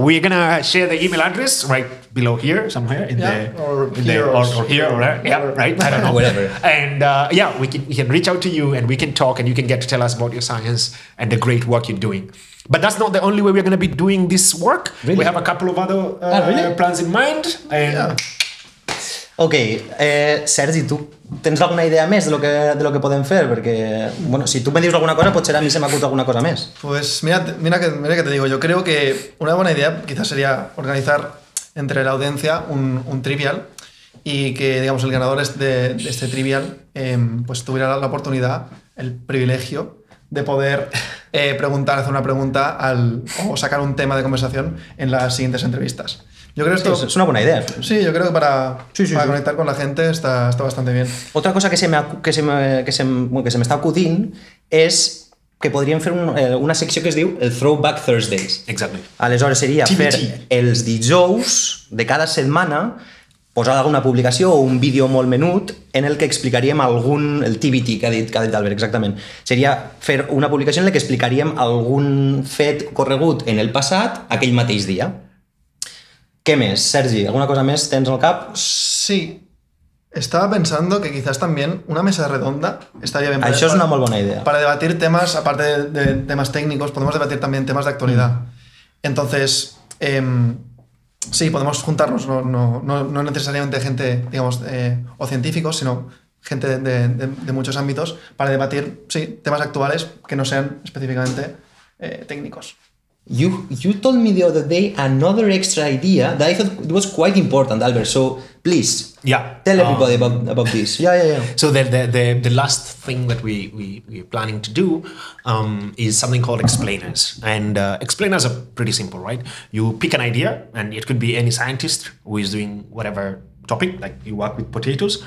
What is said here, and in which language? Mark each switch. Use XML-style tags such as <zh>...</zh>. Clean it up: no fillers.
<en>We're going to share the email address right below here, somewhere in right? I don't know. Whatever. And we can reach out to you and we can talk and you can get to tell us about your science and the great work you're doing. But that's not the only way we're going to be doing this work. Really? We have a couple of other plans in mind. And</en> <ca>Okay, Sergi, tu tens alguna idea més de lo que podem fer? Perquè, bueno, si tu me dius alguna cosa, potser a mi se m'ha acudit alguna cosa més.</ca> <es>Pues mira que te digo, yo creo que una buena idea quizás sería organizar entre la audiencia un trivial y que, digamos, el ganador de este trivial pues tuviera la oportunidad, el privilegio, de poder preguntar, hacer una pregunta o sacar un tema de conversación en las siguientes entrevistas. Yo creo que esto es una buena idea. Sí, yo creo que para conectar con la gente está bastante bien. Otra cosa que se me está</es> <ca>acudint es que podríem fer una secció que es diu el Throwback Thursdays. Exacte. Aleshores seria fer els dijous de cada setmana posar alguna publicació o un vídeo molt menut en el que explicaríem el TBT que ha dit Albert, exactament. Seria fer una publicació en la que explicaríem algun fet corregut en el passat aquell mateix dia.</ca> <es>¿Qué más, Sergi?</es> <ca>¿Alguna cosa más tens en el cap? Sí.</ca> <es>Estaba pensando que quizás también una mesa redonda estaría bien. Eso es una muy buena idea. Para debatir temas, aparte de temas técnicos, podemos debatir también temas de actualidad. Entonces, sí, podemos juntarnos, no necesariamente gente, digamos, o científicos, sino gente de muchos ámbitos, para debatir, sí, temas actuales que no sean específicamente técnicos.</es> <en>You told me the other day another extra idea that I thought was quite important, Albert. So please, tell everybody about this. Yeah. So the last thing that we're planning to do is something called explainers. And explainers are pretty simple, right? You pick an idea, and it could be any scientist who is doing whatever topic, like you work with potatoes.</en>